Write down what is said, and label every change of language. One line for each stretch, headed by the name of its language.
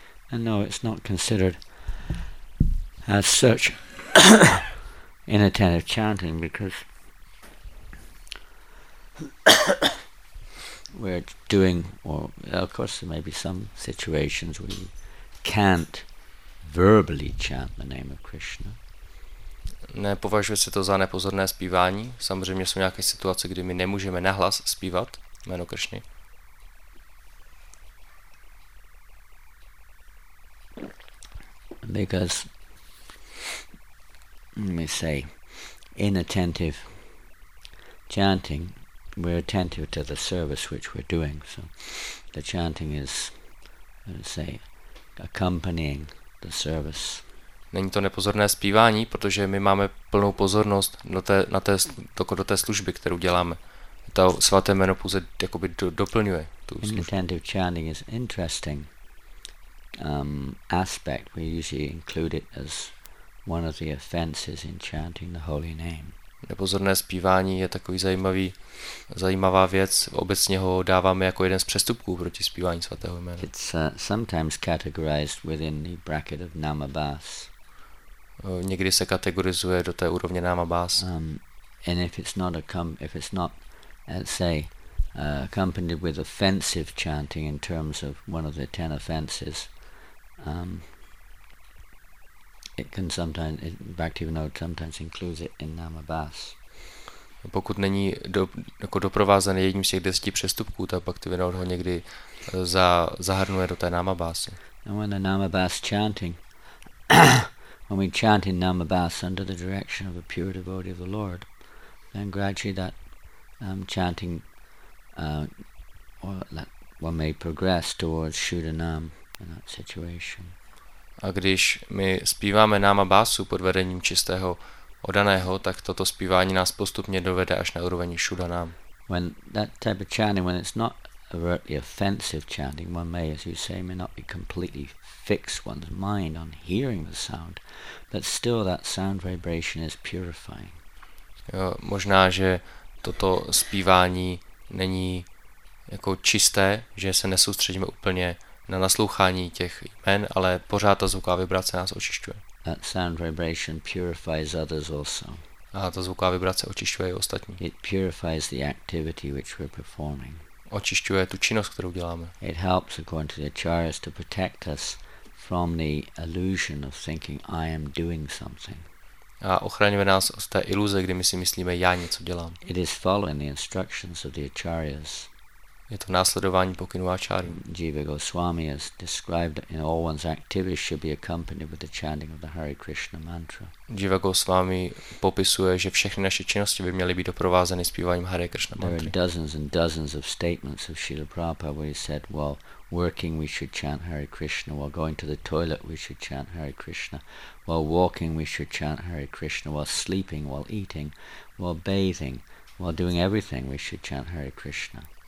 English: And no, it's not considered as such inattentive chanting, because we're doing, or of course there may be some situations where you can't verbally chant the name of Krishna.
Czech: Nepovažuje se to za nepozorné zpívání. Samozřejmě jsou nějaké situace, kdy my nemůžeme nahlas zpívat jméno Krišny.
English: Because let me say inattentive chanting, we're attentive to the service which we're doing. So the chanting is, let's say, accompanying the service.
Czech: Není to nepozorné zpívání, protože my máme plnou pozornost do té služby, kterou děláme. To svaté jméno pouze jakoby doplňuje tu službu.
English: Inattentive chanting is interesting aspect. We usually include it as one of the offenses in chanting the holy name.
Czech: Nepozorné zpívání je takový zajímavá věc. Obecně ho dáváme jako jeden z přestupků proti zpívání svatého jména.
English: It's sometimes categorized within the bracket of namabhas.
Czech: Někdy se kategorizuje do té úrovně namabhas.
English: And if it's not accompanied with offensive chanting in terms of one of the ten offenses, sometimes includes it in namabhas.
Czech: Pokud není doprovázený jedním z těch 10 přestupků, tak Bhaktivinod ho někdy zahrnuje do té namabhasy.
English: And when the namabhas chanting when we chant in namabhas under the direction of a pure devotee of the Lord, then gradually that chanting one may progress towards shudanam in that situation.
Czech: A když my zpíváme námabásu pod vedením čistého odaného, tak toto zpívání nás postupně dovede až na úroveň šudanám.
English: When that type of chanting, when it's not overtly offensive chanting, one may, as you say, may not be completely fixed one's mind on hearing the sound, but still that sound vibration is purifying.
Czech: Jo, možná, že toto zpívání není jako čisté, že se nesoustředíme úplně na naslouchání těch jmen, ale pořád ta zvuková vibrace nás očišťuje.
English: That sound vibration purifies others also.
Czech: A ta zvuková vibrace očišťuje i ostatní.
English: It purifies the activity which we're performing.
Czech: Očišťuje tu činnost, kterou děláme.
English: It helps, according to the acharyas, to protect us from the illusion of thinking I am doing something.
Czech: A ochraňuje nás od té iluze, kdy my si myslíme, já něco dělám.
English: It is following the instructions of the acharyas.
Czech: Je to následování pokynů Ačáry.
English: Jiva Goswami has described in all one's activities should be accompanied with the chanting of the Hare Krishna mantra.
Czech: Jiva Goswami popisuje, že všechny naše činnosti by měly být doprovázeny zpíváním Hare Krishna mantra.
English: There are dozens and dozens of statements of Srila Prabhupada where he said, while working we should chant Hare Krishna, while going to the toilet we should chant Hare Krishna, while walking we should chant Hare Krishna, while sleeping, while eating, while bathing, while doing everything we should chant Hare Krishna.